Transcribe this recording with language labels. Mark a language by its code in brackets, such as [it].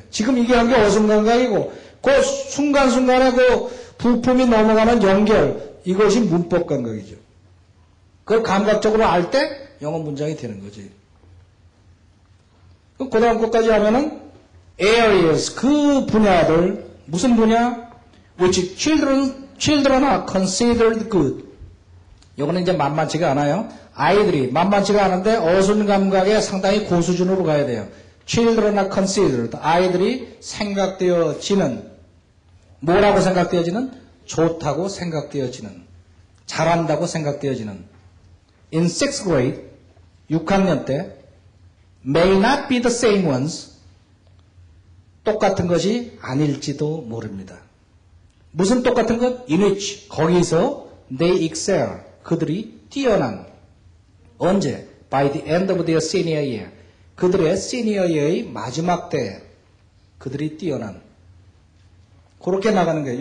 [ko] 지금 이게 한 게 어순감각이고 그 순간순간에 그 부품이 넘어가는 연결, 이것이 문법감각이죠. 그걸 감각적으로 알 때 영어 문장이 되는 거지. 그 다음 것까지 하면은 areas, 그 분야들, 무슨 분야? [en] Which children are considered good. [ko] 이거는 이제 만만치가 않아요. 아이들이 만만치가 않은데 어순감각에 상당히 고수준으로 가야 돼요. [en] Children are considered. [ko] 아이들이 생각되어지는, 뭐라고 생각되어지는? 좋다고 생각되어지는, 잘한다고 생각되어지는. [en] In sixth grade, [ko] 6학년 때, [en] may not be the same ones. [ko] 똑같은 것이 아닐지도 모릅니다. 무슨 똑같은 것? [en] In which, [ko] 거기서 [en] they excel, [ko] 그들이 뛰어난. 언제? [en] By the end of their senior year. [ko] 그들의 senior year의 마지막 때, 그들이 뛰어난. 그렇게 나가는 거예요.